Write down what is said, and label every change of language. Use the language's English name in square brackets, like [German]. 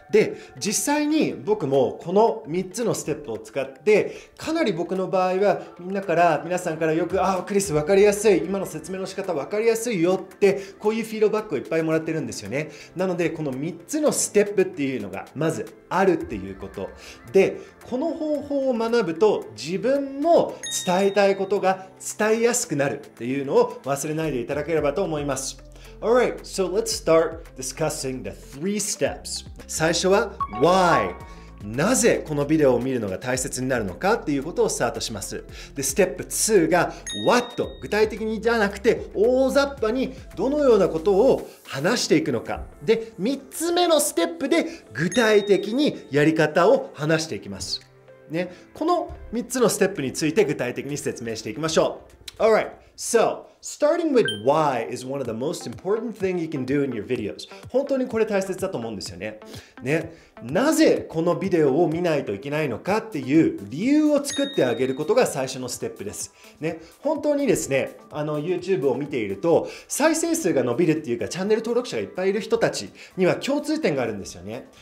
[Japanese] で、実際に僕もこの3つのステップを使って、かなり僕の場合はみんなから、皆さんからよく、あ、クリス分かりやすい、今の説明の仕方分かりやすいよって、こういうフィードバックをいっぱいもらってるんですよね。なので、この3つのステップっていうのがまずあるっていうこと。で、この方法を学ぶと自分も伝えたいことが伝えやすくなるっていうのを忘れないでいただければと思います。 [English] Alright, so let's start discussing the three steps. [Japanese] 最初は Why? なぜこのビデオを見るのが大切になるのかっていうことをスタートします。で、ステップ2が What? 具体的にじゃなくて大雑把にどのようなことを話していくのか。で、3つ目のステップで具体的にやり方を話していきますね。この3つのステップについて具体的に説明していきましょう。 [English] Alright, so starting with why is one of the most important thing you can do in your videos. [Japanese] 本当にこれ大切だと思うんですよ ね。なぜこのビデオを見ないといけないのかっていう理由を作ってあげることが最初のステップです、ね、本当にですね、あの YouTube を見ていると再生数が伸びるっていうか、チャンネル登録者がいっぱいいる人たちには共通点があるんですよね。